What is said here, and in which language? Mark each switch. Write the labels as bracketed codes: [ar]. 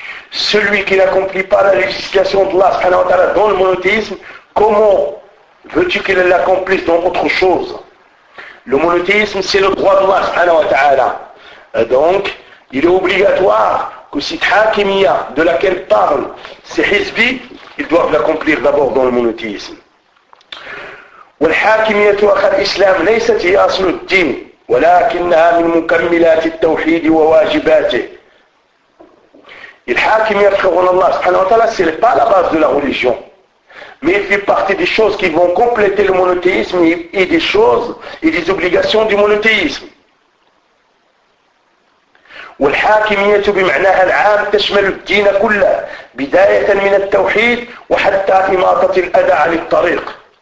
[fr] Celui qui n'accomplit pas la législation d'Allah dans le monothéisme, comment veux-tu qu'il l'accomplisse dans autre chose? Le monothéisme, c'est le droit d'Allah. Donc, il est obligatoire que cette hakimiyya de laquelle parle ces hizbi, ils doivent l'accomplir d'abord dans le monothéisme. [ar] والحاكمية أخ الإسلام ليست هي أصل الدين ولكنها من مكملات التوحيد وواجباته. الحاكمية خلقنا الله سبحانه وتعالى [fr] ce n'est pas la base de la religion, mais il fait partie des choses qui vont compléter le monothéisme et des choses et des obligations du monothéisme. [ar] والحاكمية بمعناها العام تشمل الدين كله بداية من التوحيد وحتى إماطة الأذى عن الطريق.